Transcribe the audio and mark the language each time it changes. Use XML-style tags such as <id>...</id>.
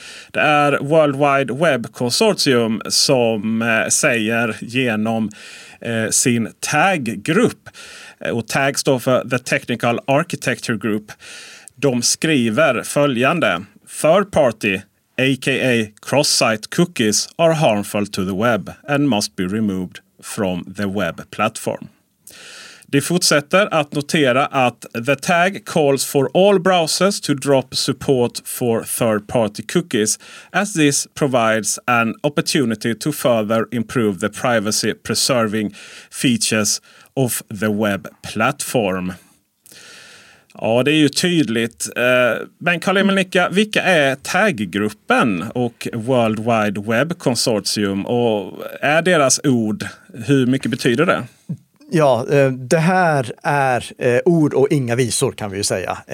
<sv>Det är World Wide Web Consortium som säger genom sin taggrupp, och tag står för The Technical Architecture Group, de skriver följande:</sv> <en>third party aka cross-site cookies are harmful to the web and must be removed from the web platform.</en> <sv>De fortsätter att notera att</sv> <en>the tag calls for all browsers to drop support for third-party cookies, as this provides an opportunity to further improve the privacy-preserving features of the web platform.</en> <sv>Ja, det är ju tydligt. Men Karl-Emil Nicka, vilka är taggruppen och World Wide Web Consortium? Och är deras ord, hur mycket betyder det? Ja, det här är ord och inga visor kan vi ju säga.</sv>